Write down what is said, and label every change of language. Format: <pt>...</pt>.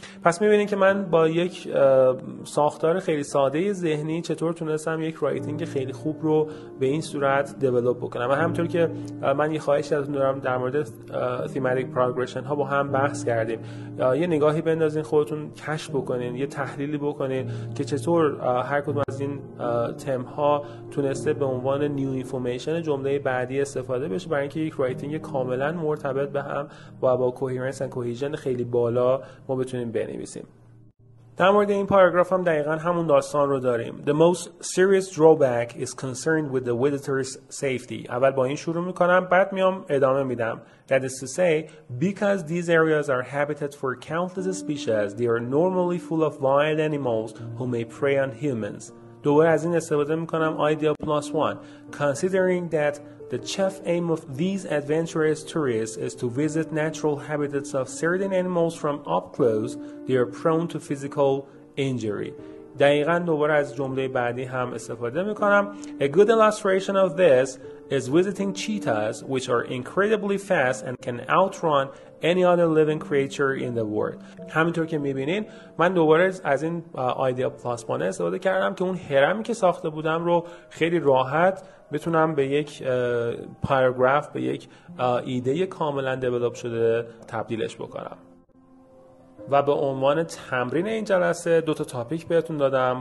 <fa>پس میبینین که من با یک ساختار خیلی ساده ذهنی چطور تونستم یک رایتینگ خیلی خوب رو به این صورت دیولپ بکنم. و همونطور که من یه خواهش ازتون دارم، در مورد تیماتیک پروگرشن ها با هم بحث کردیم، یه نگاهی بندازین، خودتون کشف بکنین، یه تحلیلی بکنین که چطور هر کدوم از این تم ها تونسته به عنوان نیو اینفورمیشن جمله بعدی استفاده بشه، برای اینکه یک رایتینگ کاملا مرتبط به هم و با کوهرنس اند کوهیژن خیلی بالا ما بتونیم بنویسیم. در مورد این پاراگراف هم دقیقا همون داستان رو داریم.</fa> <en>The most serious drawback is concerned with the visitor's safety.</en> <fa>اول با این شروع میکنم بعد میام ادامه میدم.</fa> <en>That is to say, because these areas are habitat for countless species, they are normally full of wild animals who may prey on humans.</en> <fa>دوباره از این استفاده میکنم.</fa> <en>Idea plus one. Considering that the chief aim of these adventurous tourists is to visit natural habitats of certain animals from up close, they are prone to physical injury.</en> <fa>دقیقاً دوباره از جمله بعدی هم استفاده میکنم.</fa> <en>A good illustration of this is visiting cheetahs, which are incredibly fast and can outrun any other living creature in the world.</en> <fa>همینطور که میبینین من دوباره از این ایده پلاس وان استفاده کردم که اون هرمی که ساخته بودم رو خیلی راحت بتونم به یک پاراگراف، به یک ایده کاملا دیولپ شده تبدیلش بکنم. و به عنوان تمرین این جلسه دو تا تاپیک بهتون دادم.</fa>